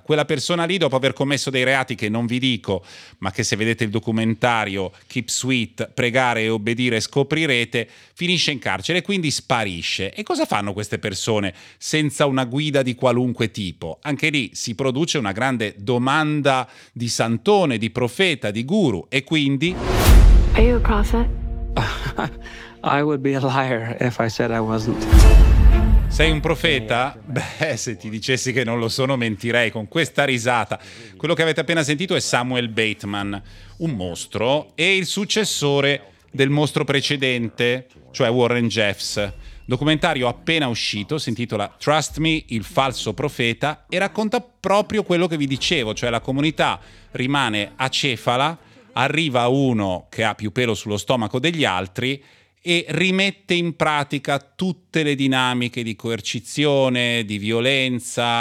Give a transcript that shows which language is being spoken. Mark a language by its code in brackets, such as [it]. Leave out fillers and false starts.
[it] Quella persona lì, dopo aver commesso dei reati che non vi dico, ma che se vedete il documentario Keep Sweet, Pregare e Obbedire scoprirete, finisce in carcere e quindi sparisce. E cosa fanno queste persone senza una guida di qualunque tipo? Anche lì si produce una grande domanda di santone, di profeta, di guru, e quindi... [en] Are you a prophet? I would be a liar if I said I wasn't. [it] Sei un profeta? Beh, se ti dicessi che non lo sono, mentirei con questa risata. Quello che avete appena sentito è Samuel Bateman, un mostro e il successore del mostro precedente, cioè Warren Jeffs. Documentario appena uscito, si intitola Trust Me, il falso profeta, e racconta proprio quello che vi dicevo, cioè la comunità rimane acefala, arriva uno che ha più pelo sullo stomaco degli altri e rimette in pratica tutte le dinamiche di coercizione, di violenza.